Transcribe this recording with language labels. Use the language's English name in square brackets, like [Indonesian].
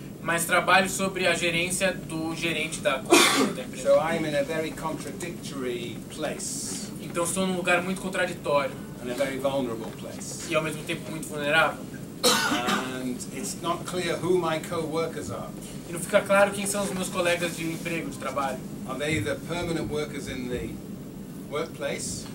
[Portuguese] Mas trabalho sob a gerência do gerente da empresa. [English] So I am in a very contradictory place. [Portuguese] Então estou num lugar muito contraditório. [English] And a very vulnerable place. [Portuguese] E ao mesmo tempo muito vulnerável. [English] And it's not clear who my co-workers are. [Portuguese] E não fica claro quem são os meus colegas de emprego, de trabalho. [English] Are they the permanent workers in the workplace?